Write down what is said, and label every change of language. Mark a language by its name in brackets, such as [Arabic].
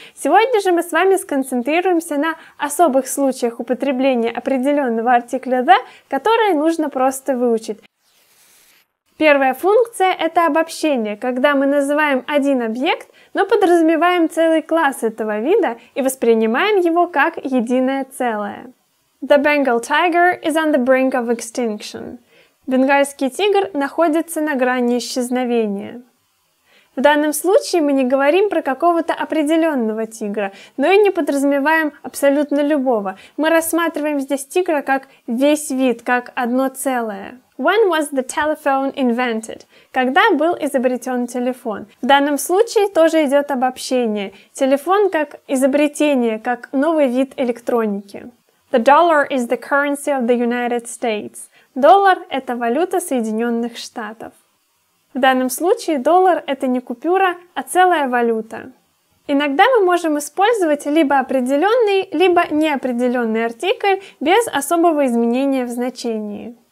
[Russian] Сегодня же мы с вами сконцентрируемся на особых случаях употребления определенного артикля the, которые нужно просто выучить. Первая функция — это обобщение, когда мы называем один объект, но подразумеваем целый класс этого вида и воспринимаем его как единое целое. [English] The Bengal tiger is on the brink of extinction. [Russian] Бенгальский тигр находится на грани исчезновения. В данном случае мы не говорим про какого-то определенного тигра, но и не подразумеваем абсолютно любого. Мы рассматриваем здесь тигра как весь вид, как одно целое. [English] When was the telephone invented? [Russian] Когда был изобретен телефон? В данном случае тоже идет обобщение. Телефон как изобретение, как новый вид электроники. [English] The dollar is the currency of the United States. [Russian] Доллар — это валюта Соединенных Штатов. В данном случае доллар — это не купюра, а целая валюта. Иногда мы можем использовать либо определенный, либо неопределенный артикль без особого изменения в значении.